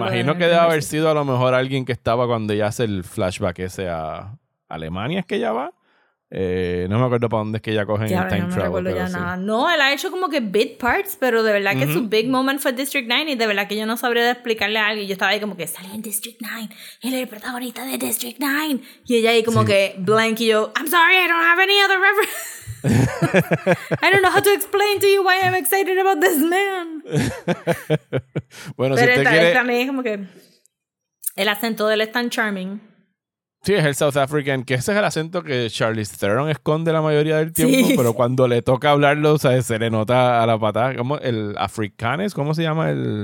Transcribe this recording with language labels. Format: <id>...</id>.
<es>Me imagino que debe haber sido a lo mejor alguien que estaba cuando ella hace el flashback ese a Alemania, es que ella va. No me acuerdo para dónde es que ella coge en el</es> <en>time travel.</en> <es>No, ya nada. No, él ha hecho como que</es> <en>bit parts,</en> <es>pero de verdad que su</es> <en>big moment</en> <es>fue District 9 y de verdad que yo no sabría explicarle a alguien. Yo estaba ahí como que salió en District 9, él era el protagonista de District 9. Y ella ahí como que blank y yo,</es> <en>I'm sorry, I don't have any other reference. I don't know how to explain to you why I'm excited about this man.</en> <es>Bueno, pero si usted quiere... Pero también como que el acento de él es tan charming. Sí, es el South African, que ese es el acento que Charlize Theron esconde la mayoría del tiempo, sí. Pero cuando le toca hablarlo, o sea, se le nota a la patada. ¿Cómo? ¿El Afrikaans? ¿Cómo se llama el...?</es>